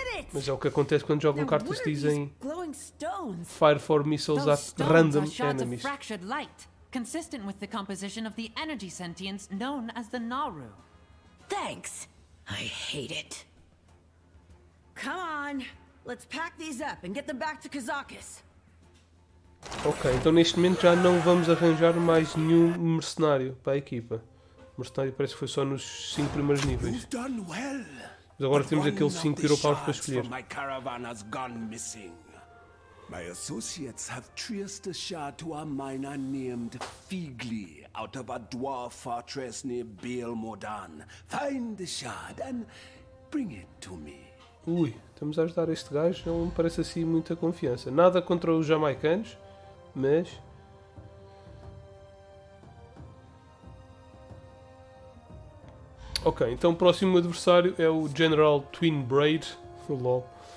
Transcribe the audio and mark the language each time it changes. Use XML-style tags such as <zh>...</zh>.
<pt>Mas é o que acontece quando jogam cartas dizem</pt> <en>Fire 4 missiles at random enemies. Fractured light, consistent with the composition of the energy sentience known as the Nauru. Thanks. I hate it. Come on. Let's pack these up and get them back to Kazakus.</en> <pt>Ok, então neste momento já não vamos arranjar mais nenhum mercenário para a equipa. O mercenário parece que foi só nos 5 primeiros níveis. Mas agora temos aqueles 5 europaus para escolher.</pt> <en>My caravan has gone missing. My associates have traced a shard to a miner named Figley out of a dwarf fortress near Bale Modan. Find the shard and bring it to me.</en> <pt>Ui, estamos a ajudar este gajo, não me parece assim muita confiança. Nada contra os jamaicanos, mas... Ok, então o próximo adversário é o General Twin Braid, lol.</pt>